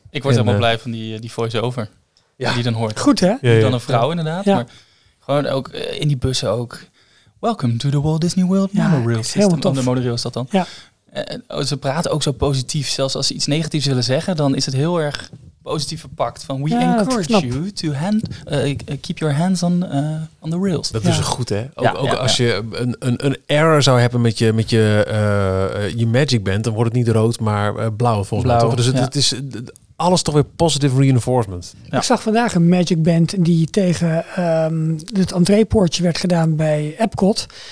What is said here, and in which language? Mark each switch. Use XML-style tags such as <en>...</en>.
<nl>Ik word helemaal blij van die voice-over. Ja. Die dan hoort. Goed, hè? Dan een vrouw inderdaad. Ja. Maar gewoon ook in die bussen ook.</nl> <en>Welcome to the Walt Disney World Monorail System.</en> <nl>Tof. De monorail is dat dan. Ja. Ze praten ook zo positief. Zelfs als ze iets negatiefs willen zeggen, dan is het heel erg positief verpakt. Van</nl> <en>we encourage you to keep your hands on the rails.</en> <nl>Dat is goed, hè? Ook als je een error zou hebben met je Magic Band, dan wordt het niet rood, maar blauw volgens mij. Dus het is alles toch weer positive reinforcement. Ja. Ik zag vandaag een Magic Band die tegen het entreepoortje werd gedaan bij Epcot.</nl>